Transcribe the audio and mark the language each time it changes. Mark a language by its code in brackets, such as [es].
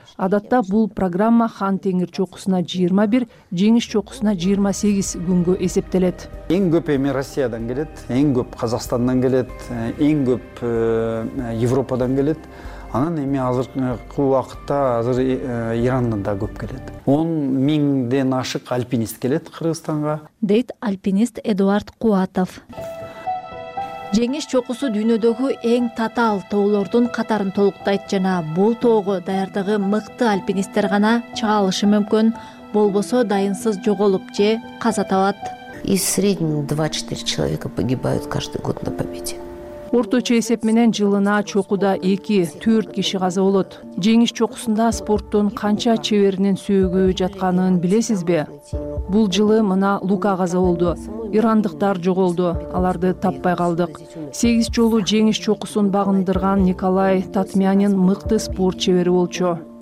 [ky] Адатта бул программа Хан Теңир чокусуна 21, Жеңиш чокусуна 28 күнгө эсептелет. Эң көп эми Россиядан келет, эң көп Казакстандан келет, эң көп Европадан келет. Анан эми азыркы убакытта азыр Ирандан да көп келет. 10000ден ашык альпинист келет Кыргызстанга. Дейт альпинист Эдуард Куатов. Жеңиш чокусу дүйнөдөгү эң татаал тоолордун катарын толуктайт жана бул тоого даярдыгы мыкты альпинисттер гана чыга алышы мүмкүн, болбосо дайынсыз жоголуп же каза табат. [ru] И в среднем 2-4 человека погибают каждый год на победе. [ky] Орточо эсеп менен жылына чокуда 2-4 киши каза болот. Жеңиш чокусунда спорттун канча чеберинин сөөгү жатканын билесизби? Бул жылы мына Лука каза болду. Ирандыктар жоголду, аларды таппай калдык. 8 жолу жеңиш чокусун багындырган Николай Татмянин мыкты спорт чебери болчу.